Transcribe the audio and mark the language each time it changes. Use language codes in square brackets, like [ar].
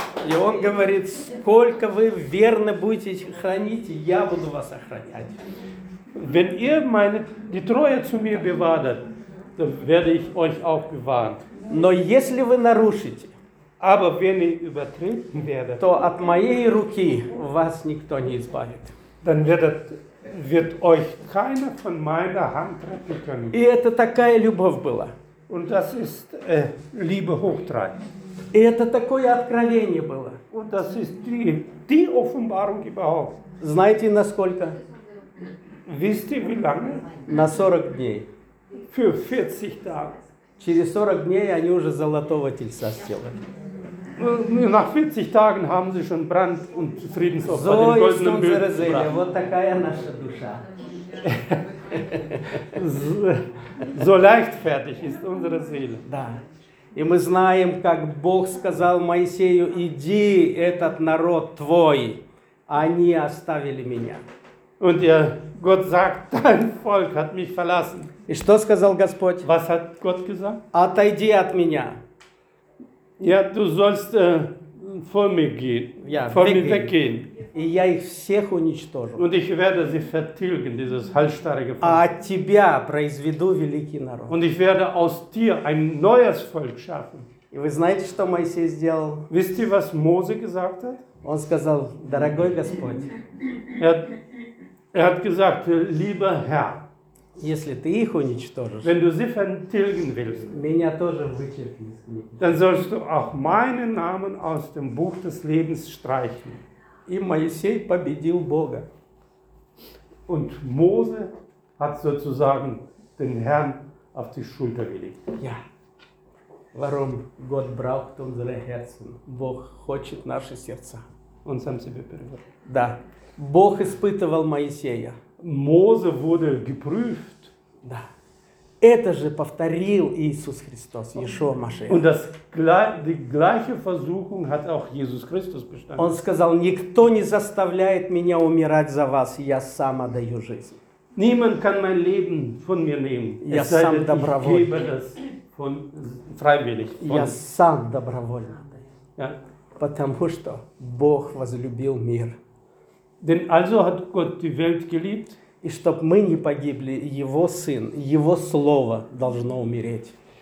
[ru] И он говорит, сколько вы верно будете хранить, я буду вас охранять. [de] Wenn ihr meine die Treue zu mir bewahrt, dann werde ich euch auch bewahren. [ru] Но если вы нарушите, [de] aber wenn ihr übertreten werdet, [ru] то от моей руки вас никто не избавит. [de] Dann wird euch keiner von meiner Hand retten können. [ru] И это такая любовь была. [de] Und das ist Liebe hoch drei. [ru] И это такое откровение было. [de] Und das ist die Offenbarung überhaupt. [ru] Знаете, на сколько? [de] Wisst ihr, wie lange? [ru] На 40 дней. [de] Für 40 Tage. [ru] Через 40 дней они уже золотого тельца сделали. [de] Nach 40 Tagen haben sie schon Brand und Friedensopfer, so den goldenen Bild gebracht. [ru] Вот такая наша душа. [de] So leichtfertig ist unsere Seele. [ru] Да. И мы знаем, как Бог сказал Моисею, иди, этот народ твой, они оставили меня. [de] Und ihr Gott sagt, dein Volk hat mich verlassen. [ru] И что сказал Господь? [de] Was hat Gott gesagt? [ru] Отойди от меня. [de] Ja, du sollst vor mir gehen, ja, vor mir weggehen. [ru] И я их всех уничтожу. [de] Und ich werde sie vertilgen, dieses halsstarrige Volk. [ru] А от тебя произведу великий народ. [de] Und ich werde aus dir ein neues Volk schaffen. [ru] И вы знаете, что Моисей сделал? [de] Wisst ihr, was Mose gesagt hat? [ru] Он сказал, дорогой Господь. [de] Er hat gesagt, lieber Herr. [ru] Если ты их уничтожишь, [de] wenn du sie vertilgen willst, [ru] меня тоже вычеркнешь. [de] Dann sollst du auch meinen Namen aus dem Buch des Lebens streichen. [ru] И Моисей победил Бога. [de] Und Mose hat sozusagen den Herrn auf die Schulter gelegt. Ja. Warum Gott braucht unsere Herzen? [ru] Бог хочет наши сердца. Он сам себе перевел. Да. Бог испытывал Моисея. [de] Mose wurde geprüft. [ru] Да. Это же повторил Иисус Христос, Иешуа Машиах. [de] Und das die gleiche Versuchung hat auch Jesus Christus bestanden. [ru] Он сказал, никто не заставляет меня умирать за вас, я сам отдаю жизнь. [de] Niemand kann mein Leben von mir nehmen. [ru] Я сам добровольно. [de] Ich gebe das freiwillig. [ru] Я сам добровольно. Потому что Бог возлюбил мир. [de] Denn also hat Gott die Welt geliebt. [ru] И чтоб мы не погибли, Его Сын, Его Слово должно умереть.